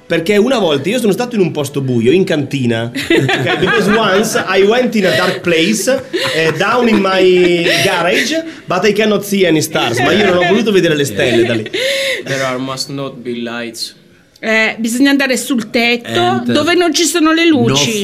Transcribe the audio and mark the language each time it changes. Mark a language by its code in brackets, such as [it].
[it] Perché una volta io sono stato in un posto buio, in cantina. Okay? [en] Because once I went in a dark place, down in my garage, but I cannot see any stars. [it] Ma io non ho voluto vedere le stelle da lì. [en] There are must not be lights. [it] Bisogna andare sul tetto, dove non ci sono le luci.